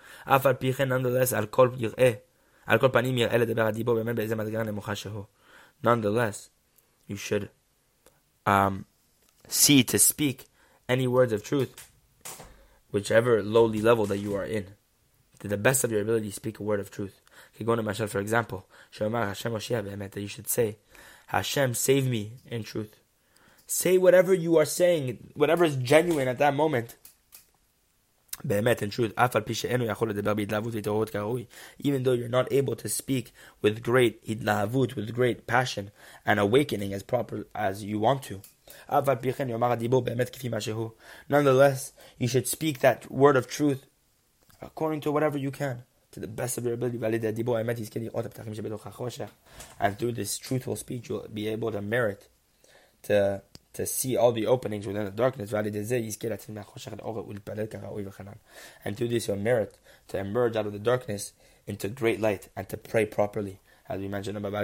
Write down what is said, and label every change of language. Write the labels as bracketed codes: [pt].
[en] Nonetheless, you should see to speak any words of truth, whichever lowly level that you are in. To the best of your ability, speak a word of truth. For example, that you should say, Hashem, save me in truth. Say whatever you are saying, whatever is genuine at that moment. [he] באמת, [en] in truth, [he] אף על פי שאינו יכול לדבר בהתלהבות ותראות כראוי, [en] even though you're not able to speak with great התלהבות, with great passion and awakening as proper as you want to, [he] אף על פי כן יאמר הדיבור באמת כפי מה שהוא. [en] Nonetheless, you should speak that word of truth according to whatever you can, to the best of your ability, [he] ועל ידי הדיבור האמת יזכה לראות הפתחים שבתוך החושך, [en] and through this truthful speech you'll be able to merit to see all the openings within the darkness, and through this you'll merit to emerge out of the darkness into great light and to pray properly, as we mentioned above.